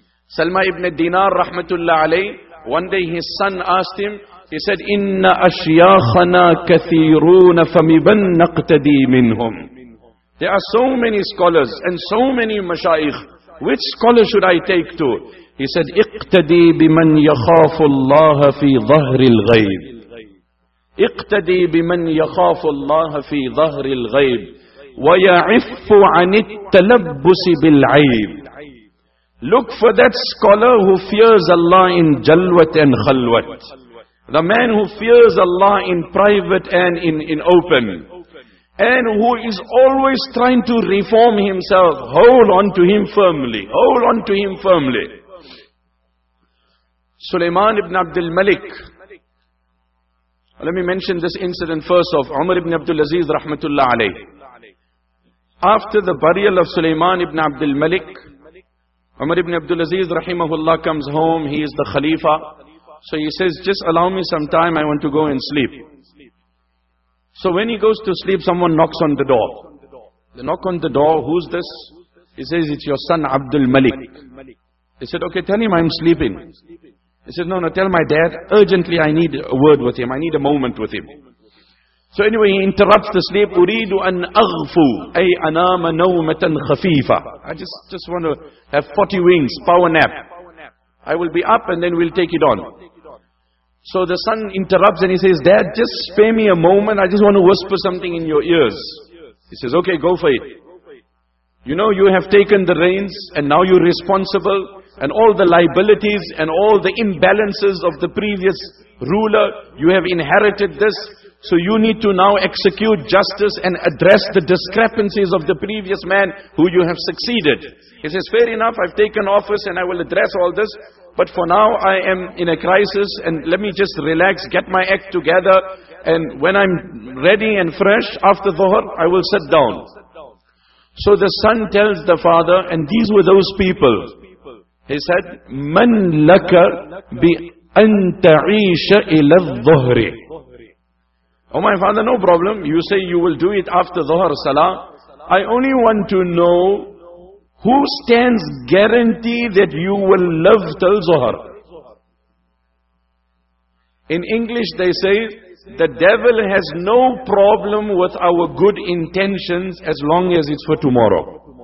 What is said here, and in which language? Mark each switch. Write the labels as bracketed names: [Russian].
[English] Salma ibn Dinar, rahmatullah alayh, one day his son asked him, he said, [Arabic] "Inna ashyakhana kathiruna famiban naqtadi minhum." [English] There are so many scholars and so many mashayikh. Which scholar should I take to? He said, [Arabic] اقتدي بمن يخاف الله في ظهر الغيب. اقتدي بمن يخاف الله في ظهر الغيب. ويعف عن التلبس بالعيب. [English] Look for that scholar who fears Allah in jalwat and khalwat. The man who fears Allah in private and in open. And who is always trying to reform himself. Hold on to him firmly. Hold on to him firmly. Sulaiman ibn Abdul Malik. Let me mention this incident first of Umar ibn Abdul Aziz rahmatullah alayh. After the burial of Sulaiman ibn Abdul Malik, Umar ibn Abdul Aziz rahimahullah comes home. He is the Khalifa. So he says, just allow me some time, I want to go and sleep. So when he goes to sleep, someone knocks on the door. They knock on the door, who's this? He says, it's your son Abdul Malik. He said, okay, tell him I'm sleeping. He said, no, tell my dad, urgently I need a word with him, I need a moment with him. So anyway, he interrupts the sleep. [Arabic] أريد أن أغفو أي أنام نومة خفيفة. [English] I just want to have 40 wings, power nap. I will be up and then we'll take it on. So the son interrupts and he says, Dad, just spare me a moment. I just want to whisper something in your ears. He says, okay, go for it. You know, you have taken the reins and now you're responsible. And all the liabilities and all the imbalances of the previous ruler, you have inherited this. So you need to now execute justice and address the discrepancies of the previous man who you have succeeded. He says, fair enough, I've taken office and I will address all this. But for now, I am in a crisis and let me just relax, get my act together. And when I'm ready and fresh after Dhuhr, I will sit down. So the son tells the father, and these were those people. He said, [Arabic] مَنْ لَكَ بِأَنْ تَعِيشَ إِلَى الظُّهْرِ. [English] Oh my father, no problem. You say you will do it after Dhuhr Salah. I only want to know who stands guarantee that you will live till Dhuhr. In English they say, the devil has no problem with our good intentions as long as it's for tomorrow.